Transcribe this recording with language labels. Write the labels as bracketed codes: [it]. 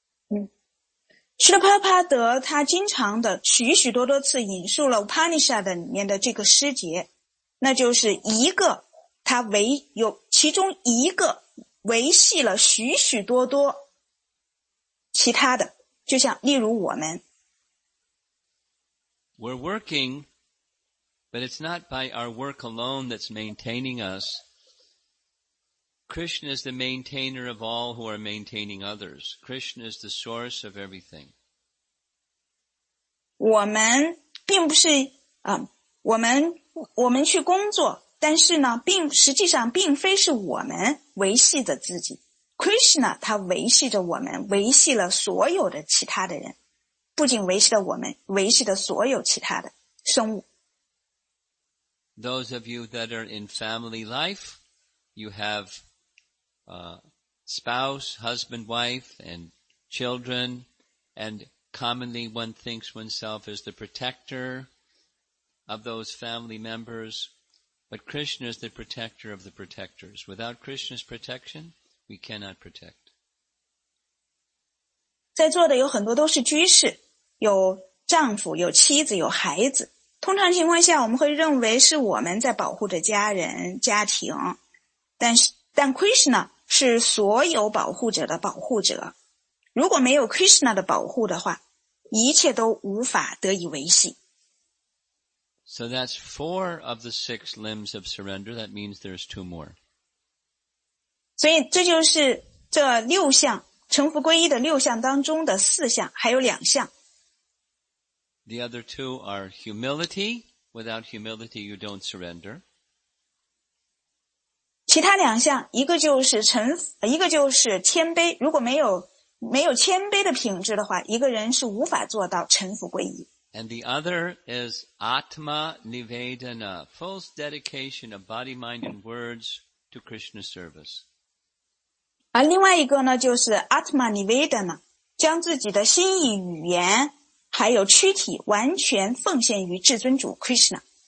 [zh] Srila Prabhupada 他经常的许许多多次引述了 Upanishad 里面的这个诗节，那就是一个他唯有其中一个维系了许许多多其他的，就像例如我们。 [en] We're working, but it's not by our work alone that's maintaining us. Krishna is the maintainer of all who are maintaining others. Krishna is the source of everything. [zh] 我们并不是我们去工作，但是呢并实际上并非是我们维系着自己。 Krishna 他维系着我们，维系了所有的其他的人，不仅维系了我们，维系了所有其他的生物。 [en] Those of you that are in family life, you have spouse, husband, wife, and children, andcommonly one thinks oneself as the protector of those family members, but Krishna is the protector of the protectors. Without Krishna's protection, we cannot protect. [zh] 在座的有很多都是居士，有丈夫，有妻子，有孩子。通常情况下，我们会认为是我们在保护着家人、家庭，但 Krishna 是所有保护者的保护者。如果没有 Krishna 的保护的话，一切都无法得以维系。 [en] So that's four of the six limbs of surrender. That means there's two more. [zh] 所以这就是这六项，臣服皈依的六项当中的四项，还有两项。 [en] The other two are humility. Without humility, you don't surrender. [zh] 其他两项，一个就是谦卑，如果没有谦卑的品质的话，一个人是无法做到臣服皈依。 [en] And the other is Atma Nivedana, full dedication of body, mind, and words to Krishna service. [zh] 而另外一个呢，就是 Atma Nivedana, 将自己的心意、语言还有躯体完全奉献于至尊主 Krishna.